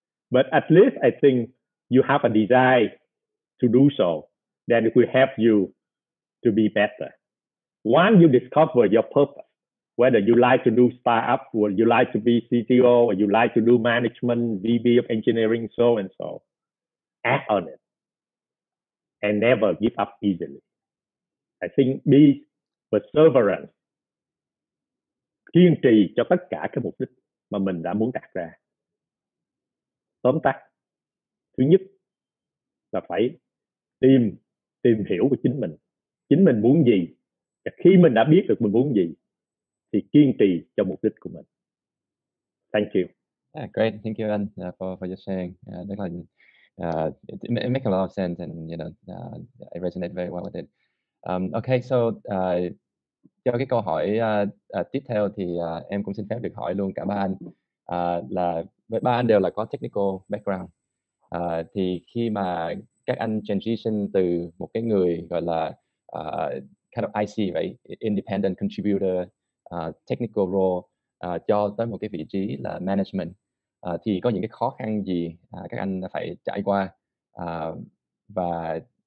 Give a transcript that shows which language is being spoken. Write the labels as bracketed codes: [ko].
[en] But at least I think you have a desire to do so, that it will help you to be better. Once you discover your purpose, whether you like to do startup, or you like to be CTO, or you like to do management, VP of engineering, so and so, act on it and never give up easily. I think be perseverant, [vi] kiên trì cho tất cả các mục đích mà mình đã muốn đặt ra. Tóm tắt, thứ nhất là phải tìm hiểu của chính mình muốn gì. Và khi mình đã biết được mình muốn gì, thì kiên trì cho mục đích của mình. [en] Thank you. Yeah, great. Thank you, Anh, for your sharing. It makes a lot of sense, and you know, it resonates very well with it. [vi] Okay, so cho cái câu hỏi tiếp theo thì em cũng xin phép được hỏi luôn cả ba anh, là với ba anh đều là có [en] technical background, [vi] thì khi mà các anh transition từ một cái người gọi là [en] kind of IC, right, independent contributor, technical role, [vi] cho tới một cái vị trí là management, thì có những cái khó khăn gì các anh đã phải trải qua, và